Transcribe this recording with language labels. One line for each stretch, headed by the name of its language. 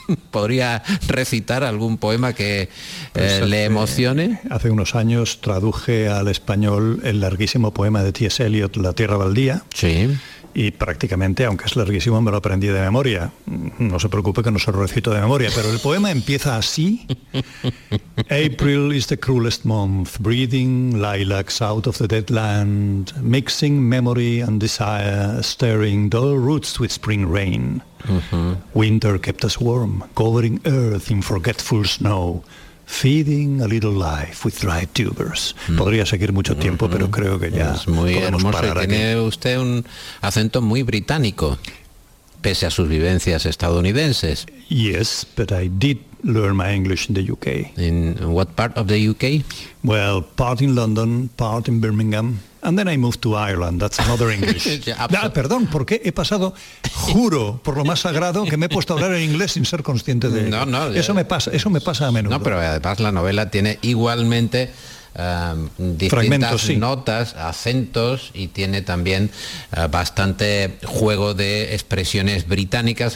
Spanish: ¿Podría recitar algún poema que le emocione? Hace unos años traduje al español el larguísimo poema de T.S. Eliot, La tierra baldía. Sí. Y prácticamente, aunque es larguísimo, me lo aprendí de memoria. No se preocupe que no se lo recito de memoria, pero el poema empieza así.
English: April is the cruelest month, breathing lilacs out of the dead land, mixing memory and desire, stirring dull roots with spring rain. Winter kept us warm, covering earth in forgetful snow, feeding a little life with dry tubers.
Spanish: Podría seguir mucho tiempo, pero creo que ya es muy hermoso. Tiene usted un acento muy británico, pese a sus vivencias estadounidenses.
English: Yes, but I did learn my English in the UK. In what part of the UK? Well, part in London, part in Birmingham. And then I moved to Ireland, that's another English.
Spanish: Perdón, porque he pasado, juro, por lo más sagrado, que me he puesto a hablar en inglés sin ser consciente de ello. No, eso me pasa a menudo. No, pero además la novela tiene igualmente distintas notas, acentos, y tiene también bastante juego de expresiones británicas.